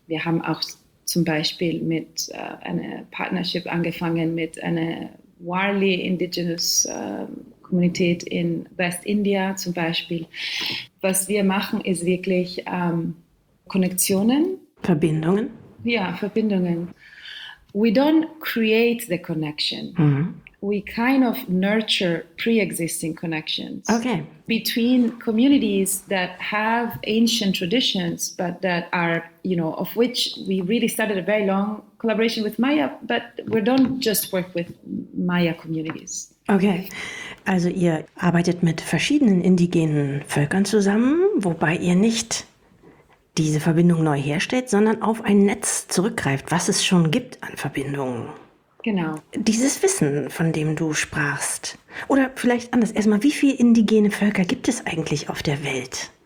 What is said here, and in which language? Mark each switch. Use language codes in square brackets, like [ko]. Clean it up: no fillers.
[de] Wir haben auch zum Beispiel mit einer Partnership angefangen mit einer Warli Indigenous Kommunität in Westindien zum Beispiel. Was wir machen, ist wirklich Konnexionen, Verbindungen. ja, Verbindungen. [en] We don't create the connection. We kind of nurture pre-existing connections Okay. between communities that have ancient traditions, but that are, you know, of which we really started a very long collaboration with Maya, but we don't just work with Maya communities. Okay. [de] Also ihr arbeitet mit verschiedenen indigenen Völkern zusammen, wobei ihr nicht diese Verbindung neu herstellt, sondern auf ein Netz zurückgreift, was es schon gibt an Verbindungen. Genau. Dieses Wissen, von dem du sprachst, oder vielleicht anders, erstmal, wie viele indigene Völker gibt es eigentlich auf der Welt?